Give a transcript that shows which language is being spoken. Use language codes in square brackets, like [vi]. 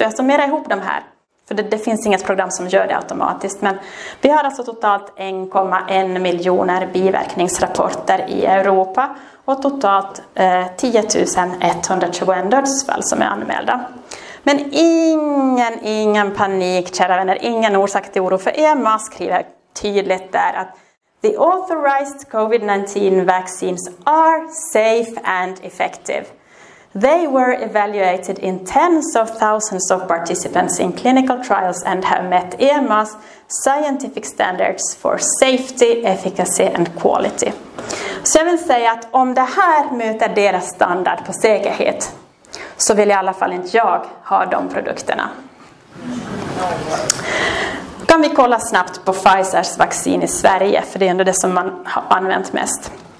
[sv] Jag summerar ihop de här, för det finns inget program som gör det automatiskt, men vi har alltså totalt 1,1 miljoner biverkningsrapporter i Europa och totalt 10 121 dödsfall som är anmälda. Men ingen panik, kära vänner, ingen orsak till oro, för EMA skriver tydligt där att [en] the authorized COVID-19 vaccines are safe and effective. They were evaluated in tens of thousands of participants in clinical trials and have met EMA's scientific standards for safety, efficacy and quality. [sv] Så jag vill säga att om det här möter deras standard på säkerhet, så vill i alla fall inte jag ha de produkterna. Kan vi kolla snabbt på Pfizers vaccin i Sverige, för det är ändå det som man har använt mest.